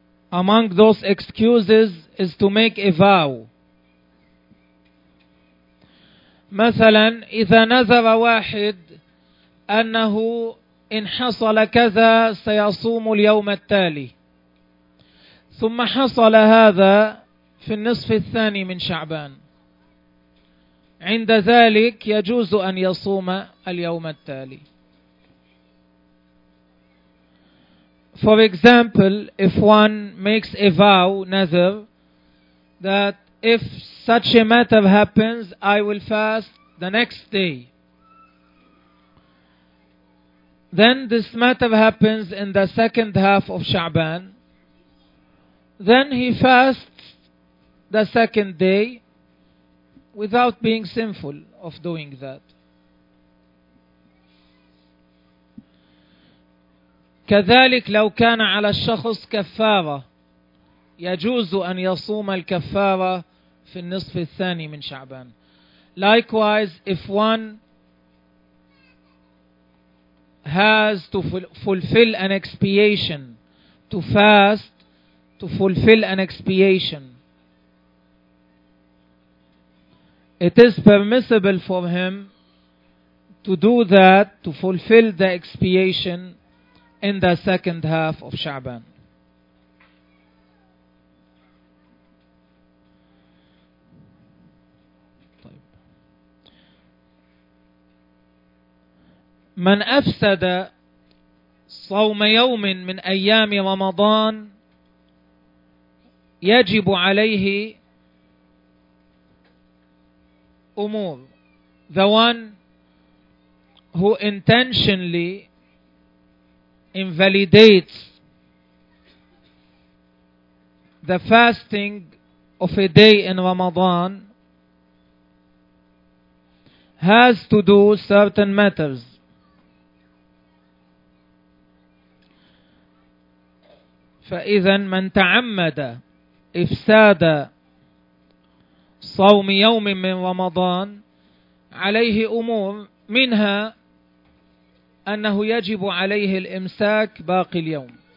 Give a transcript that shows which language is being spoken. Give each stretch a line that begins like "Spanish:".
English: Among those excuses is to make a vow.
Arabic: مثلا إذا نذر واحد أنه إن حصل كذا سيصوم اليوم التالي ثم حصل هذا في النصف الثاني من شعبان عند ذلك يجوز أن يصوم اليوم التالي.
English: For example, if one makes a vow, nazar, that if such a matter happens, I will fast the next day. Then this matter happens in the second half of Sha'ban. Then he fasts the second day without being sinful of doing that.
Arabic: كذلك لو كان على الشخص كفارة يجوز أن يصوم الكفارة في النصف الثاني من شعبان.
English: Likewise, if one has to fulfill an expiation, to fast, to fulfill an expiation, it is permissible for him to do that, to fulfill the expiation in the second half of Sha'ban.
Arabic: من أفسد صوم يوم من أيام رمضان يجب عليه أمور.
English: The one who intentionally invalidates the fasting of a day in Ramadan has to do certain matters.
Arabic: فإذن من تعمد إفساد صوم يوم من رمضان عليه أمور، منها أنه يجب عليه الإمساك باقي اليوم.